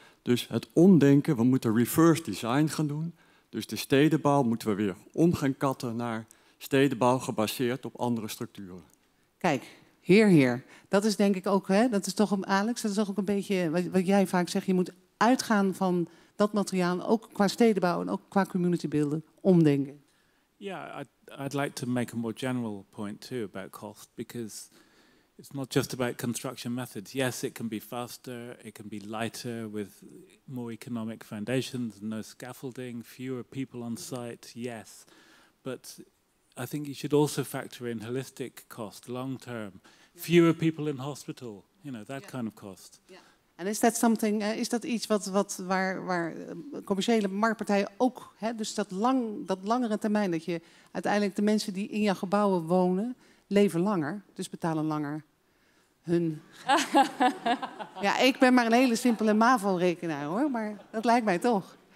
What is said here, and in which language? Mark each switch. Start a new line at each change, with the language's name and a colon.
Dutch: Dus het omdenken, we moeten reverse design gaan doen. Dus de stedenbouw moeten we weer om gaan katten naar stedenbouw gebaseerd op andere structuren. Kijk, heer, dat is denk ik ook, hè? Dat is toch, Alex, dat is toch ook een beetje wat jij vaak zegt. Je moet uitgaan van dat materiaal, ook qua stedenbouw en ook qua community builden, omdenken.
English: Ja, I'd like to make a more general point too about cost, because it's not just about construction methods. Yes, it can be faster, it can be lighter with more economic foundations, no scaffolding, fewer people on site, yes. But I think you should also factor in holistic cost, long term, fewer people in hospital, you know, that kind of cost. Yeah. And is that something,
Dutch: is dat iets waar commerciële marktpartijen ook, hè, dus dat langere termijn, dat je uiteindelijk de mensen die in jouw gebouwen wonen, leven langer, dus betalen langer hun. Ja, ik ben maar een hele simpele MAVO-rekenaar hoor, maar dat lijkt mij toch.